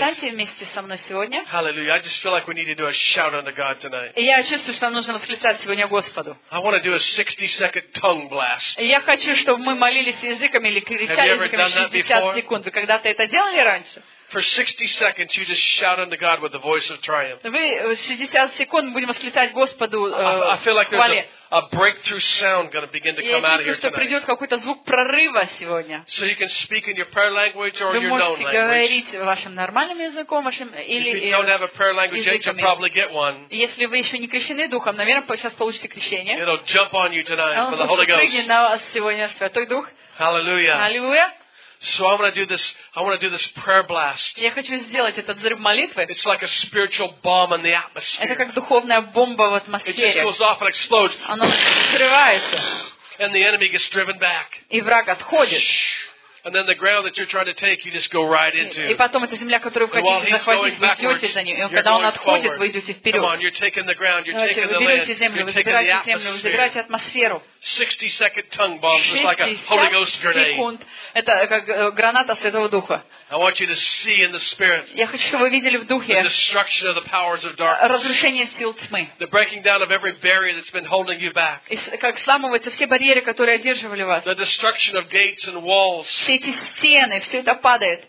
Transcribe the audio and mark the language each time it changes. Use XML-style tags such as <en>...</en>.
<ru>Встаньте вместе со мной сегодня.</ru> <en>Hallelujah. I just feel like we need to do a shout unto God tonight.</en> <ru>И я чувствую, что нам нужно восклицать сегодня Господу.</ru> <en>I want to do a 60-second tongue blast.</en> <ru>И я хочу, чтобы мы молились языками или кричали языками 60 секунд. Вы когда-то это делали раньше?</ru> <en>For 60 seconds, you just shout unto God with the voice of triumph.</en> <ru>Вы 60 секунд будем восклицать Господу</ru> <en>I feel like there's a breakthrough sound going to begin to come out of here tonight.</en> <ru>Я чувствую, что придет какой-то звук прорыва сегодня.</ru> <en>So you can speak in your prayer language or your known language.</en> <ru>Вы можете говорить вашим нормальным языком, вашим или языками.</ru> <en>If you don't have a prayer language yet, you'll probably get one.</en> <ru>Если вы еще не крещены духом, наверное, сейчас получите крещение.</ru> <en>It'll jump on you tonight for the Holy Ghost.</en> <ru>Он будет прыгать на вас сегодня, Святой Дух.</ru> <en>Hallelujah. Hallelujah. So I want to do this. I want to do this prayer blast.</en> <ru>Я хочу сделать этот взрыв молитвы.</ru> <en>It's like a spiritual bomb in the atmosphere.</en> <ru>Это как духовная бомба в атмосфере.</ru> <en>It just goes off and explodes.</en> <ru>Оно взрывается.</ru> <en>And the enemy gets driven back.</en> <ru>И враг отходит.</ru> <en>And then the ground that you're trying to take, you just go right into.</en> <ru>И потом эта земля, которую вы хотите захватить, вы идете за нее. И когда он отходит, вы идете вперед.</ru> <en>Come on, you're taking the ground, you're taking the land, you're taking the atmosphere.</en> <ru>Вы забираете атмосферу.</ru> <en>60-second tongue bombs, just like a Holy Ghost grenade.</en> <ru>60 секунд. Это как граната Святого Духа.</ru> <en>I want you to see in the spirit.</en> <ru>Я хочу, чтобы вы видели в духе.</ru> <en>The destruction of the powers of darkness.</en> <ru>Разрушение сил тьмы.</ru> <en>The breaking down of every barrier that's been holding you back.</en> <ru>Как сламываются все барьеры, которые одерживали вас.</ru> <en>The destruction of gates and walls.</en> <ru>Все эти стены, все это падает.</ru>